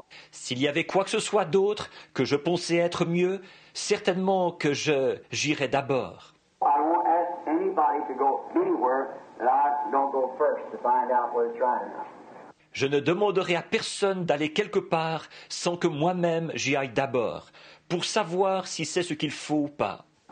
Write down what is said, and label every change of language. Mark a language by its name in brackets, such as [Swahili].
[French] S'il y avait quoi que ce soit d'autre que je pensais être mieux, certainement que j'irais d'abord. [English] I won't ask anybody anybody to go anywhere that I don't go first to find out whether it's right or not. [French] Je ne demanderai à personne d'aller quelque part sans que moi-même j'y aille d'abord, pour savoir si c'est ce qu'il faut ou pas.